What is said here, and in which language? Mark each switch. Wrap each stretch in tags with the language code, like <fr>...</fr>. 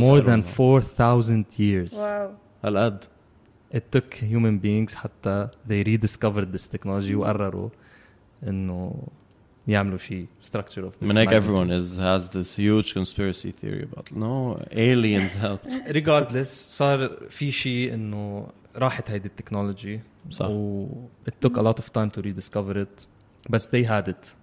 <en>More than 4,000 years. Wow. I'll add. It took human beings</en> <ar>حتى</ar> <en>they rediscovered this technology</en> <ar>وقرروا إنه يعملوا شيء</ar> <en>structure of this. Like everyone has this huge conspiracy theory about no aliens helped. Regardless,</en> <ar>صار في شيء إنه راحت هيدي التكنولوجي. صح.</ar> <en>It took a lot of time to rediscover it, but they had it.</en>